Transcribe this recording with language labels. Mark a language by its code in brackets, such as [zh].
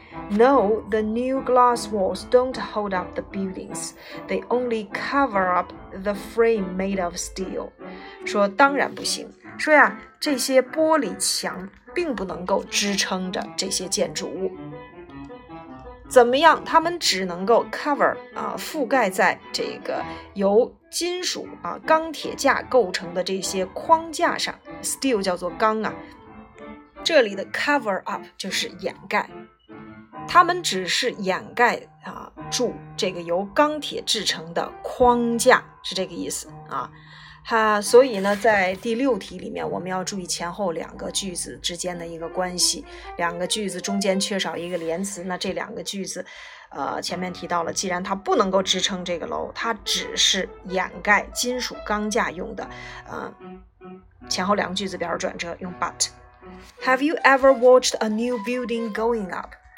[en] No, the new glass walls don't hold up the buildings. They only cover up the frame made of steel. [zh] 说当然不行，说呀，这些玻璃墙并不能够支撑着这些建筑物。怎么样？它们只能够 cover, 覆盖在这个由金属钢铁架构成的这些框架上。 Steel 叫做钢啊，这里的 cover up 就是掩盖，它们只是掩盖住这个由钢铁制成的框架，是这个意思啊。所以呢在第六题里面我们要注意前后两个句子之间的一个关系，两个句子中间缺少一个连词，那这两个句子前面提到了，既然它不能够支撑这个楼，它只是掩盖金属钢架用的，前后两个句子表示转折用 but。 [en] Have you ever watched a new building going up?